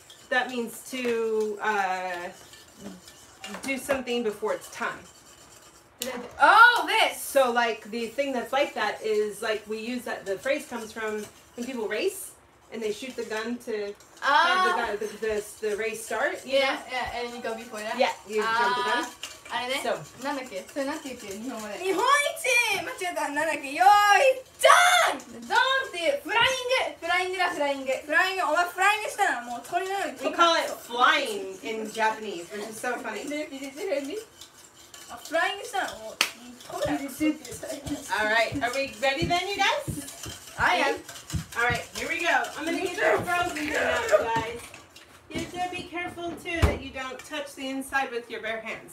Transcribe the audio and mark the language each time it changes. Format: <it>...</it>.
<en>That means to do something before it's time. Oh, this! So, like, the thing that's like that is, like, we use that, the phrase comes from when people race, and they shoot the gun to have the race start. Yeah, and you go before that? Yeah, you jump the gun.</en> <ja>あれね、so. なんだっけ、それなんて言うっけ、日本語で日本一間違えた、なんだっけ、よーい、ドーンドーンっていう、フライングフライングだ、フライングフライング、お前フライングしたな、もう鳥のように</ja> <en>We call it flying in Japanese, which is so funny</en> <ja>フライングしたな、もう鳥だ</ja> <en>Alright, are we ready then, you guys? I am Alright, here we go, I'm gonna get your frozen for now, you guysYou have to be careful too that you don't touch the inside with your bare hands.</en>